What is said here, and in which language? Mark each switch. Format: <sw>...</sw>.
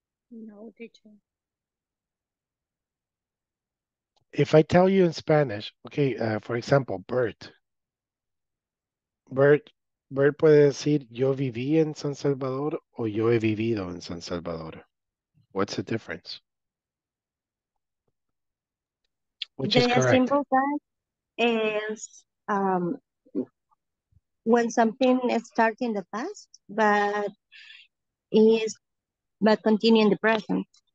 <en>No, teacher. If I tell you in Spanish, okay, for example, Bert.</en> <es>Bert puede decir, yo viví en San Salvador o yo he vivido en San Salvador.</es> <en>What's the difference? Which is correct? The simple fact is when something starts in the past, but continue in the present.</en>